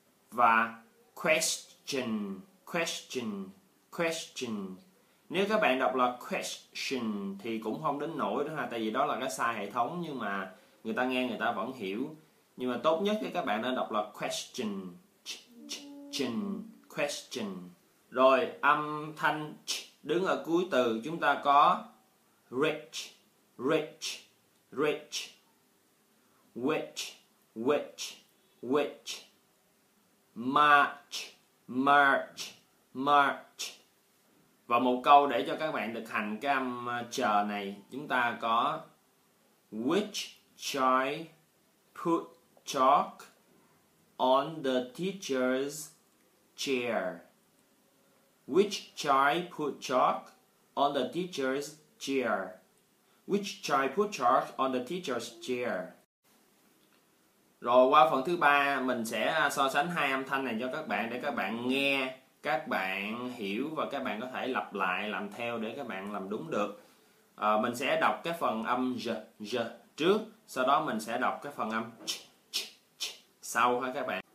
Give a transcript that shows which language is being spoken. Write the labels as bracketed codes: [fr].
[en] Và question, question, question. [vi] Nếu các bạn đọc là question thì cũng không đến nỗi đó ha, tại vì đó là cái sai hệ thống, nhưng mà người ta nghe người ta vẫn hiểu. Nhưng mà tốt nhất thì các bạn nên đọc là question, question, question. Rồi âm thanh ch đứng ở cuối từ. Chúng ta có rich, rich, rich. [en] Which, which, which. March, march, march. [vi] Và một câu để cho các bạn thực hành cái âm chờ này, chúng ta có [en] which chai put chalk on the teacher's chair. Which chai put chalk on the teacher's chair. Which chai put chalk on the teacher's chair. [vi] Rồi qua phần thứ ba, mình sẽ so sánh hai âm thanh này cho các bạn để các bạn nghe các bạn hiểu và các bạn có thể lặp lại làm theo để các bạn làm đúng được. Mình sẽ đọc cái phần âm j trước, sau đó mình sẽ đọc cái phần âm ch sau ha các bạn.